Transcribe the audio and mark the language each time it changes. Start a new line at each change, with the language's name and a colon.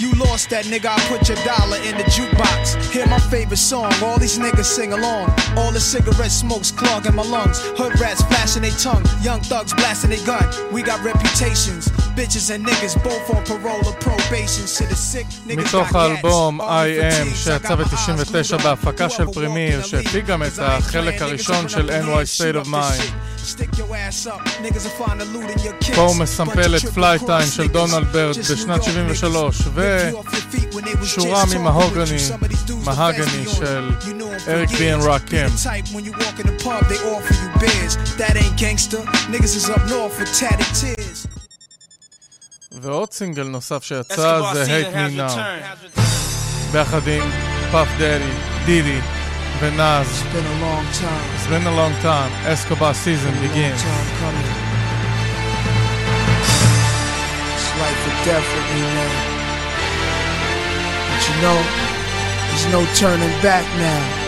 English: You lost that nigga, I put your dollar in the jukebox. Hear my favorite song, all these niggas sing along. All the cigarette smoke's clogging my lungs. Hood rats flashing their tongue, young thugs blasting their gun. We got reputations, bitches and niggas both on parole or probation. Shit is sick, niggas.
Hebrew: מתוך האלבום I Am שיצא ב-99 בהפקה של פרימיר, שהפיק גם את החלק הראשון של NY State of Mind.
English: Stick your ass up, niggas will find a loot in your kicks.
Hebrew: Pome sampled את פליי טיים של דונלד ברד בשנת 73 ושורה ממהוגני מהגני של אריק בי אנד רוקם.
English: When you walk in the pub they offer you beers. That ain't gangster, niggas is up north for tatted tears.
Hebrew: ועוד סינגל נוסף שיצא זה Hate Me Now ביחד עם פאף דדי, דידי ונאז.
English: It's been a long time. It's been a long time. Escobar season begins. It's been a long time coming. It's life or death for me, man. But you know, there's no turning back now.